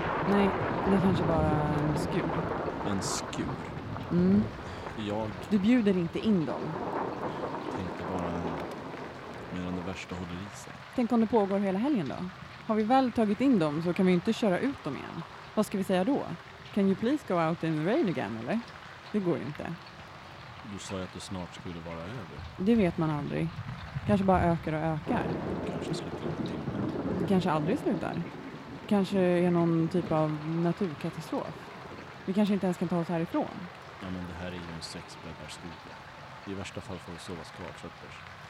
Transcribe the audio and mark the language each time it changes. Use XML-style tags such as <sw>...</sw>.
<sv>Nej, det är kanske bara en skur. En skur? Mm. Jag... Du bjuder inte in dem. Tänk bara medan det värsta håller i sig. Tänk om det pågår hela helgen då? Har vi väl tagit in dem så kan vi inte köra ut dem igen. Vad ska vi säga då?</sv> <en>Can you please go out in the rain again,</en> <sv>eller? Det går ju inte. Du sa ju att det snart skulle vara över. Det vet man aldrig. Kanske bara ökar och ökar. Kanske slutar en timme. Det kanske aldrig slutar. Kanske är någon typ av naturkatastrof. Vi kanske inte ens kan ta oss härifrån. Ja, men det här är ju en 6-bäddarstuga. I värsta fall får vi sova skavfötters.</sv>